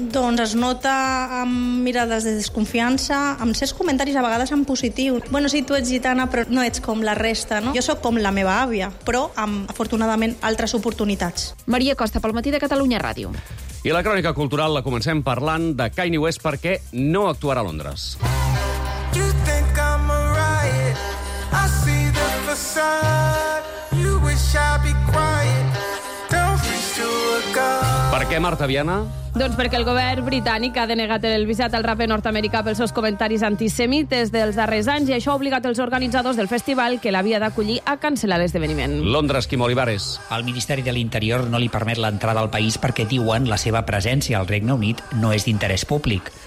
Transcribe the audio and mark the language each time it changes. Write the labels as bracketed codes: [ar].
[ca] Doncs es nota amb mirades de desconfiança, amb certs comentaris a vegades en positiu. Bueno, sí, tu ets gitana, però no ets com la resta, no? Jo sóc com la meva àvia, però amb, afortunadament, altres oportunitats. Maria Costa, pel matí de Catalunya Ràdio. I la crònica cultural la comencem parlant de Kanye West perquè no actuarà a Londres. [en] You think I'm a riot, I see the facade. You wish I'd be quiet, don't wish to a god. [ca] Per què, Marta Viana? Doncs perquè el govern britànic ha denegat el visat al raper nord-americà pels seus comentaris antisemites dels darrers anys i això ha obligat els organitzadors del festival que l'havia d'acollir a cancel·lar l'esdeveniment. Londres, Quim Olivares. El Ministeri de l'Interior no li permet l'entrada al país perquè diuen la seva presència al Regne Unit no és d'interès públic.